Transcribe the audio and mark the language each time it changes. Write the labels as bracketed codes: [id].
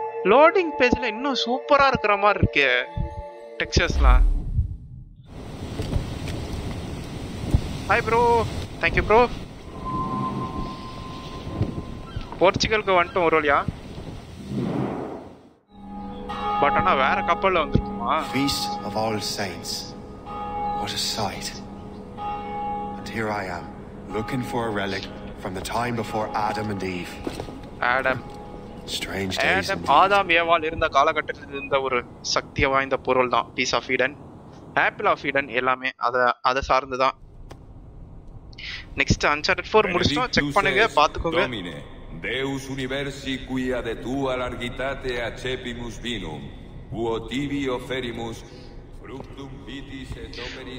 [ta] Loading page-ல இன்னும் சூப்பரா இருக்கிற மாதிரி இருக்கு டெக்ஸ்சர்ஸ்லாம் ஹாய் ப்ரோ தேங்க்யூ ப்ரோ போர்ச்சுகலுக்கு வந்துட்டோம் ஒரு வழியா பட் ஆனா வேற கப்பல்ல வந்துருக்குமா [en] Feast of All Saints. What a sight. And here I am, looking for a relic from the time before Adam and Eve. Adam. Strange days [ta] and ஆதாம் ஏவால் இருந்த காலகட்டத்தில் இருந்த ஒரு சக்தி வாய்ந்த பொருள் தான் piece of Eden apple of Eden எல்லாமே அதை சார்ந்துதான் next Uncharted 4 முடிச்சோம் செக் பண்ணுங்க பாத்துக்கோங்க [la] Deus universi quia de tua largitate accepimus vinum quo tibi offerimus fructum vitis et operis